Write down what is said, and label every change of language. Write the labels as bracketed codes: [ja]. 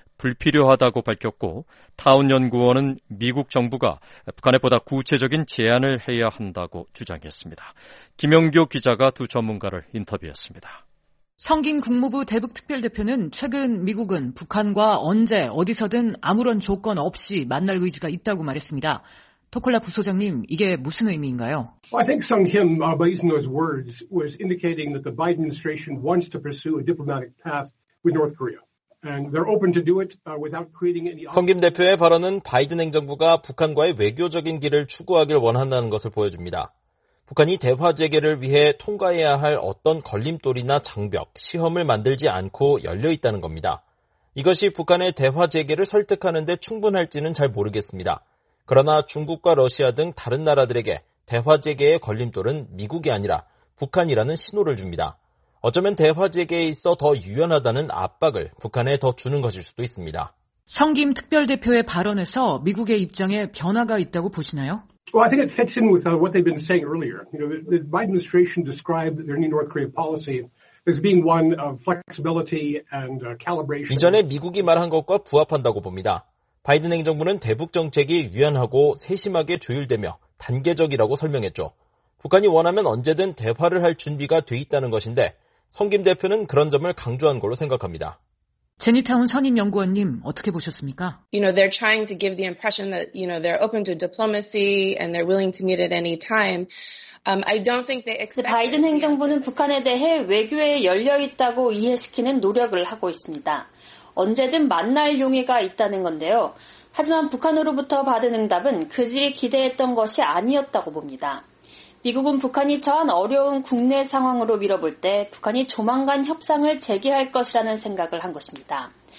[ko] 불필요하다고 밝혔고 타운 연구원은 미국 정부가 북한에 보다 구체적인 제안을 해야 한다고 주장했습니다. 김영규 기자가 두 전문가를 인터뷰했습니다. 성긴 국무부 대북특별대표는 최근 미국은 북한과 언제 어디서든 아무런 조건 없이 만날 의지가 있다고 말했습니다. 토콜라 부소장님, 이게 무슨 의미인가요? [en] I think Sung Kim, by using those words, was indicating that the Biden administration wants to pursue a diplomatic path with North Korea. And they're open to do it without creating any... [ko] 성 김 대표의 발언은 바이든 행정부가 북한과의 외교적인 길을 추구하길 원한다는 것을 보여줍니다. 북한이 대화 재개를 위해 통과해야 할 어떤 걸림돌이나 장벽, 시험을 만들지 않고 열려있다는 겁니다. 이것이 북한의 대화 재개를 설득하는 데 충분할지는 잘 모르겠습니다. 그러나 중국과 러시아 등 다른 나라들에게 대화 재개의 걸림돌은 미국이 아니라 북한이라는 신호를 줍니다. 어쩌면 대화 재개에 있어 더 유연하다는 압박을 북한에 더 주는 것일 수도 있습니다. 성 김 특별대표의 발언에서 미국의 입장에 변화가 있다고 보시나요? [en] Well, I think it fits in with what they've been saying earlier. You know, the Biden administration described their new North Korea policy as being one of flexibility and calibration. [ko] 이전에 미국이 말한 것과 부합한다고 봅니다. 바이든 행정부는 대북 정책이 유연하고 세심하게 조율되며 단계적이라고 설명했죠. 북한이 원하면 언제든 대화를 할 준비가 돼 있다는 것인데 성 김 대표는 그런 점을 강조한 걸로 생각합니다. 제니타운 선임 연구원님, 어떻게 보셨습니까? [en] You know, they're trying to give the impression that, you know, they're open to diplomacy and they're willing to meet at any time. I don't think they expect [ko] 바이든 행정부는 북한에 대해 외교에 열려 있다고 이해시키는 노력을 하고 있습니다. 언제든 만날 용의가 있다는 건데요. 하지만 북한으로부터 받은 응답은 그들이 기대했던 것이 아니었다고 봅니다. 미국은 북한이 처한 어려운 국내 상황으로 밀어볼 때 북한이 조만간 협상을 재개할 것이라는 생각을 한 것입니다.